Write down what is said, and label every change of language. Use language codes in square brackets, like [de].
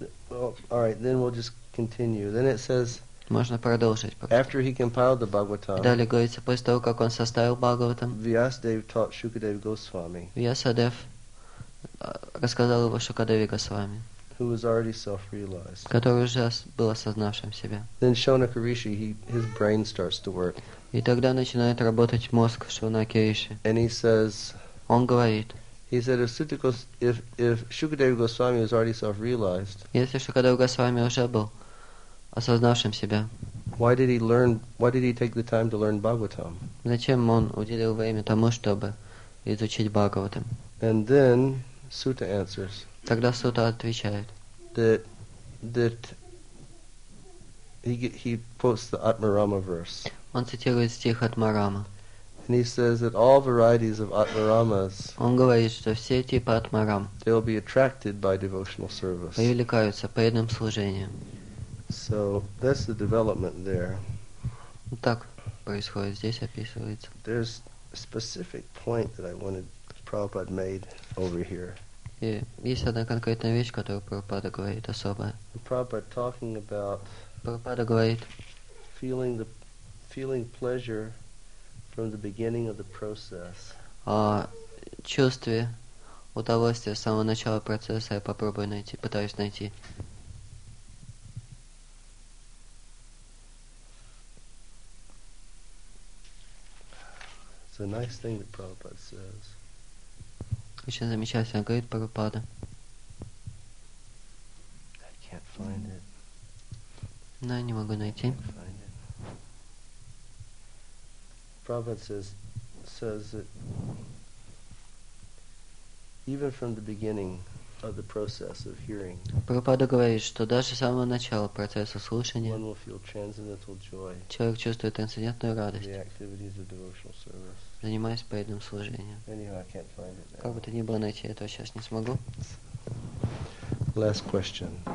[en] All right, then we'll just continue. Then it says. [ru] Можно продолжить. Пожалуйста. [en] After he compiled the Bhagavatam. [ru] Далее говорится, после того как он составил Бхагаватам. [en] Vyasadev taught Shukadev Goswami. [ru] Vyasadev рассказал его Шукадеве Госвами. [en] Who was already self-realized. [ru] Который уже был осознавшим себя. [en] Then Shonaka Rishi, his brain starts to work. [ru] И тогда начинает работать мозг Шонаки Риши. [en] And he says. [ru] Он говорит. [en] He said, if Shukadeva Goswami was already self-realized, [ru] если Шукадева Госвами уже был осознавшим себя, [en] why did he take the time to learn Bhagavatam? [ru] Зачем он уделил время тому, чтобы изучить Бхагаватам? [en] And then Sutta answers. [ru] Тогда Сута отвечает. [en] That he quotes the Atmarama verse. [ru] Он цитирует стих Атмарама. [en] And he says that all varieties of Atmaramas, [ru] он говорит, что все типы Атмарам, [en] they will be attracted by devotional service. [ru] Привлекаются преданным служением. [en] So that's the development there. [ru] Так происходит, здесь описывается. [en] There's a specific point that I wanted Prabhupada made over here. [ru] И есть одна конкретная вещь, которую Прабхупада говорит особая. [en] Прабхупада talking about [ru] Прабхупада говорит, [en] feeling pleasure from the beginning of the process. [ru] Чувстве удовольствия с самого начала процесса я попробую найти, пытаюсь найти. [en] It's a nice thing that Prabhupada says. [ru] Очень замечательно говорит Прабхупада. [en] I can't find it. [ru] Но я не могу найти. [en] Prabhupada says that even from the beginning of the process of hearing, [ru] Prabhupada говорит, что даже с самого начала процесса слушания, [en] one will feel transcendental joy, [ru] человек чувствует трансцендентную радость, [en] the activities of devotional service, [ru] занимаясь преданным служением. [en] Anyhow, I can't find it now. [ru] Как бы то ни было, найти этого сейчас не смогу. [en] Last question.